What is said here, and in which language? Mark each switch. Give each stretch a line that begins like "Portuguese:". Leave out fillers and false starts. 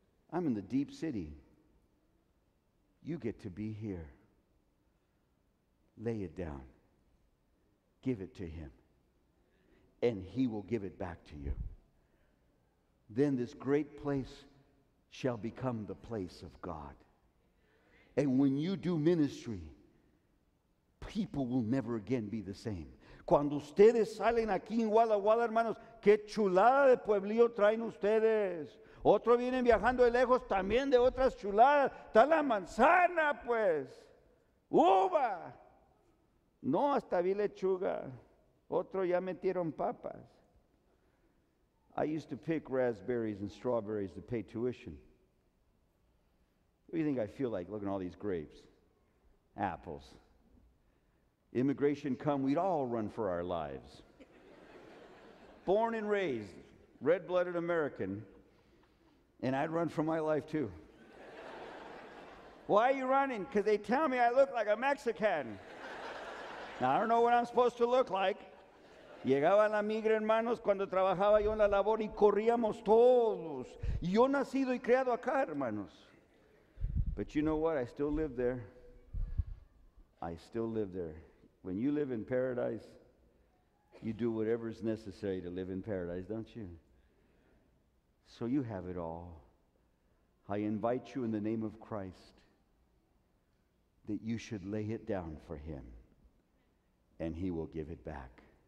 English: I'm in the deep city. You get to be here. Lay it down. Give it to Him. And He will give it back to you. Then this great place shall become the place of God. And when you do ministry, people will never again be the same.
Spanish: Cuando ustedes salen aquí en Walla Walla, hermanos, qué chulada de pueblillo traen ustedes. Otros vienen viajando de lejos también de otras chuladas. Está la manzana, pues. Uva. No, hasta vi lechuga. Otros ya metieron papas.
English: I used to pick raspberries and strawberries to pay tuition. What do you think I feel like looking at all these grapes? Apples. Immigration come, we'd all run for our lives. Born and raised, red-blooded American, and I'd run for my life too. Why are you running? Because they tell me I look like a Mexican. Now, I don't know what I'm supposed to look like.
Spanish: Llegaba la migra, hermanos, cuando trabajaba yo en la labor y corríamos todos. Yo nacido y criado acá, hermanos.
English: But you know what? I still live there. I still live there. When you live in paradise, you do whatever is necessary to live in paradise, don't you? So you have it all. I invite you in the name of Christ that you should lay it down for him, and he will give it back.